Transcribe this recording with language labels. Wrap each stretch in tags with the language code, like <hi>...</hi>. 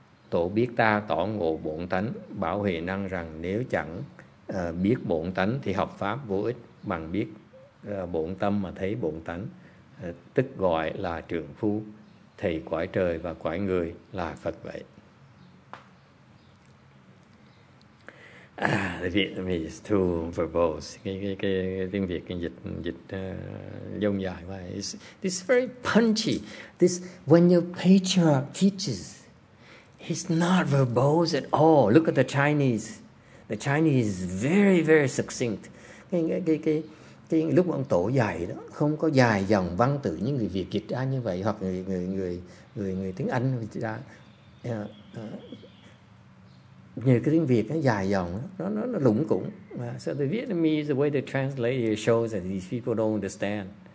<vi>Tổ biết ta tỏ ngộ bổn tánh, bảo Huệ Năng rằng nếu chẳng biết bổn tánh thì học pháp vô ích, bằng biết bổn tâm mà thấy bổn tánh, tức gọi là trượng phu, thầy cõi trời và cõi người là Phật vậy.</vi> <en>The Vietnamese too verbose.</en> <vi>Cái tiếng Việt cái dịch dông dài quá.</vi> <en>It's very punchy. This when your patriarch teaches, he's not verbose at all. Look at the Chinese. The Chinese is very, very succinct.</en> <vi>Cái lúc ông tổ dạy đó không có dài dòng văn tự như người Việt dịch ra như vậy, hoặc người tiếng Anh dịch ra. Như cái tiếng Việt nó dài dòng, nó lủng củng.</vi> <en>So the Vietnamese, the way they translate it shows that these people don't understand.</en>